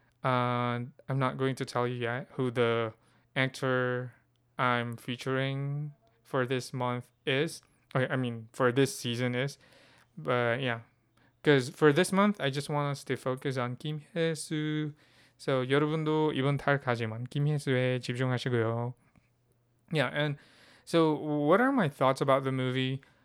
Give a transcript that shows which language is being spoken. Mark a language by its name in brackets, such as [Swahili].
[English] And I'm not going to tell you yet who the actor I'm featuring for this month is. Okay, I mean, for this season is. But yeah, because for this month, I just want us to focus on Kim Hye-soo. [Korean] So 여러분도 이번 달 가지만 김혜수에 집중하시고요. [English] Yeah, and so what are my thoughts about the movie?